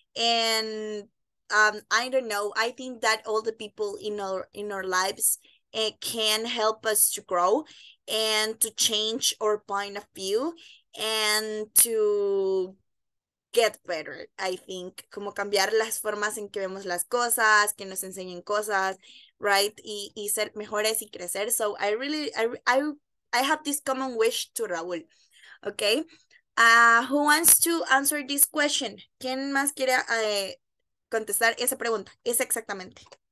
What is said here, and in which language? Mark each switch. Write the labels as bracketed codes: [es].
[en] And I don't know, I think that all the people in our lives can help us to grow and to change our point of view and to get better, I think. [es] Como cambiar las formas en que vemos las cosas, que nos enseñen cosas, right? Y ser mejores y crecer. [en] So I have this common wish to Raúl. Okay. Who wants to answer this question? [es] ¿Quién más quiere contestar esa pregunta? Es exactamente.